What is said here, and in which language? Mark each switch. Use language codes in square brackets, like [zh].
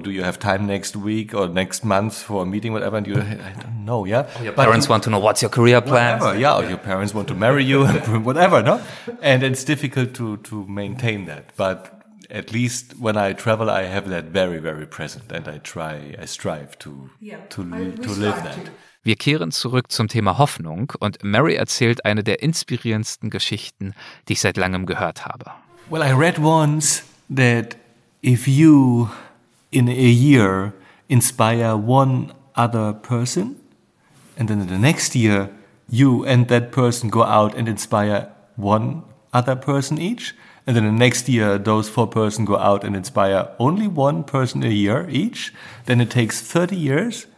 [en] Do you have time next week or next month for a meeting, whatever? And you, I don't know, yeah? Or your parents want to know what's your career plan. Yeah, or your parents want to marry you, whatever, no? And it's difficult to maintain that. But at least when I travel, I have that very, very present. And I strive to live that. [de] Wir kehren zurück zum Thema Hoffnung und Mary erzählt eine der inspirierendsten Geschichten, die ich seit langem gehört habe. [en] Well, I read once that if you in a year inspire one other person and then in the next year you and that person go out and inspire one other person each and then the next year those four persons go out and inspire only one person a year each, then it takes 30 years.